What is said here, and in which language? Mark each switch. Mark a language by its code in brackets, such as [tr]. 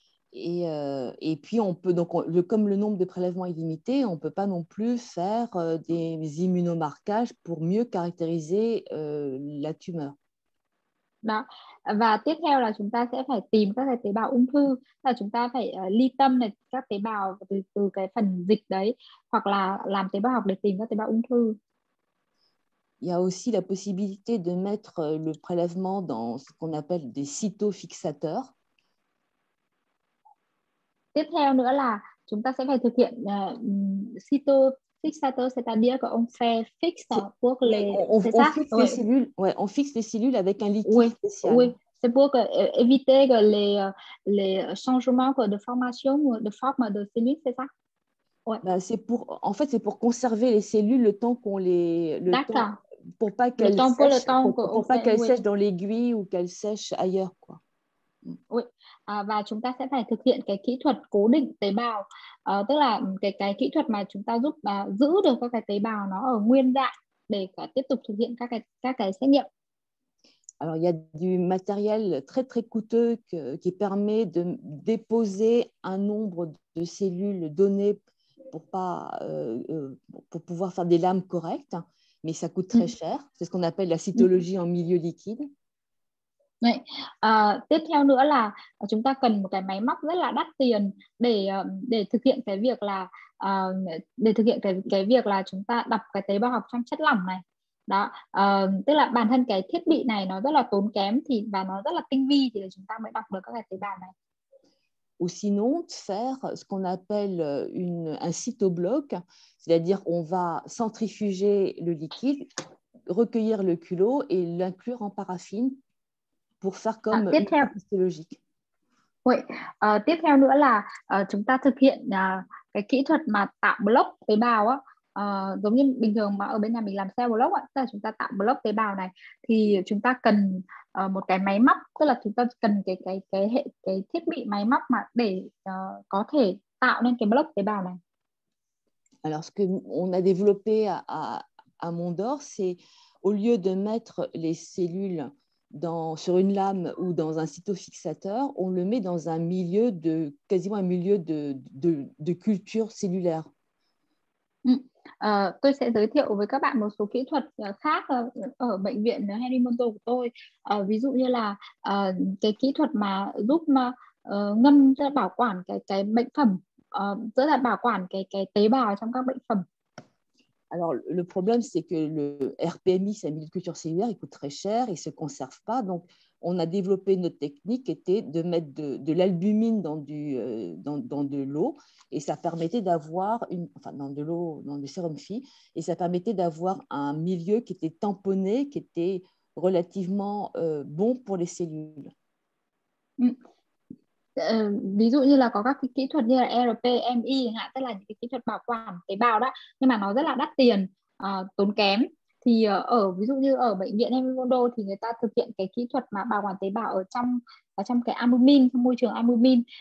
[fr] Et puis on peut donc comme le nombre de prélèvements est limité, on ne peut pas non plus faire des immunomarquages pour mieux caractériser la tumeur. [vi] Đó. Và tiếp theo là chúng ta sẽ phải tìm các cái tế bào ung thư, là chúng ta phải ly tâm này các tế bào từ cái phần dịch đấy, hoặc là làm tế bào học để tìm các tế bào ung thư. [fr] Il y a aussi la possibilité de mettre le prélèvement dans ce qu'on appelle des cytofixateurs. [vi] Tiếp theo nữa là chúng ta sẽ phải thực hiện cytofixateur, [fr] c'est-à-dire qu'on fait fixe pour les cellules. Ouais, on fixe les cellules avec un liquide spécial. Oui, c'est pour éviter que les changements de formation ou de forme de cellules, c'est ça? Ouais. Bah, c'est pour conserver les cellules le temps qu'on les... Pour pas qu'elles sèchent dans l'aiguille ou qu'elles sèchent ailleurs, quoi. Oui. [vi] Và chúng ta sẽ phải thực hiện cái kỹ thuật cố định tế bào, tức là cái kỹ thuật mà chúng ta giúp giữ được các cái tế bào nó ở nguyên dạng để tiếp tục thực hiện các cái xét nghiệm. [fr] Alors il y a du matériel très très coûteux qui permet de déposer un nombre de cellules données pour pouvoir faire des lames correctes, mais ça coûte très cher. C'est ce qu'on appelle la cytologie en milieu liquide. Oui. [vi] Tiếp theo nữa là chúng ta cần một cái máy móc rất là đắt tiền để thực hiện cái việc là để thực hiện cái việc là chúng ta đập cái tế bào học trong chất lỏng này. Đó, tức là bản thân cái thiết bị này nó rất là tốn kém thì và nó rất là tinh vi thì chúng ta mới đọc được các cái tế bào này. [fr] Ou sinon, faire ce qu'on appelle un cytobloc, c'est-à-dire on va centrifuger le liquide, recueillir le culot et l'inclure en paraffine pour faire comme une théorie physiologique. [vi] Oui, tiếp theo nữa là chúng ta thực hiện cái kỹ thuật mà tạo block tế bào á. Giống như bình thường mà ở bên nhà mình làm cell block ạ, tức là chúng ta tạo block tế bào này thì chúng ta cần một cái máy móc, tức là chúng ta cần cái thiết bị máy móc mà để có thể tạo nên cái block tế bào này. [fr] Alors ce que on a développé à Mondor, c'est au lieu de mettre les cellules sur une lame ou dans un cytofixateur, on le met dans un milieu de quasiment un milieu de culture cellulaire. [vi] Tôi sẽ giới thiệu với các bạn một số kỹ thuật khác ở bệnh viện Henri Mondor của tôi. Ví dụ như là cái kỹ thuật mà giúp ngâm bảo quản cái bệnh phẩm, tức là bảo quản cái tế bào trong các bệnh phẩm. [fr] Alors le problème c'est que le RPMI, c'est un milieu de culture cellulaire, il coûte très cher, il se conserve pas. Donc on a développé notre technique qui était de mettre de l'albumine dans de l'eau et ça permettait d'avoir dans du sérum phi et ça permettait d'avoir un milieu qui était tamponné, qui était relativement bon pour les cellules. [vi] Ví dụ như là có các kỹ thuật như là RPMI, tức là những kỹ thuật bảo quản tế bào đó, nhưng mà nó rất là đắt tiền, tốn kém. Thì ở ví dụ như ở bệnh viện Henri Mondor thì người ta thực hiện cái kỹ thuật mà bảo quản tế bào ở trong cái albumin, trong môi trường albumin.